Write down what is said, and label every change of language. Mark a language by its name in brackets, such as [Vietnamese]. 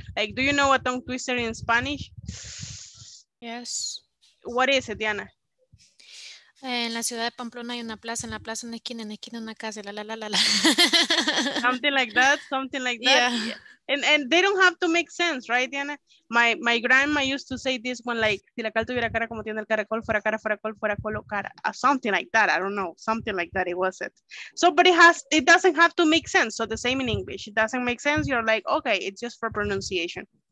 [English] Like, do you know a tongue twister in Spanish? Yes. What is it, Diana? [Spanish] En la ciudad de Pamplona hay una plaza, en la plaza una esquina, en la esquina una casa, la la la la la. [English] Something like that. Yeah. And they don't have to make sense, right, Diana? My grandma used to say this one, like, [Spanish] si la cal tuviera cara como tiene el caracol, fuera col, fuera colo, cara. [English] Something like that, I don't know. Something like that, it was it. So, but it doesn't have to make sense. So the same in English, it doesn't make sense. You're like, okay, it's just for pronunciation.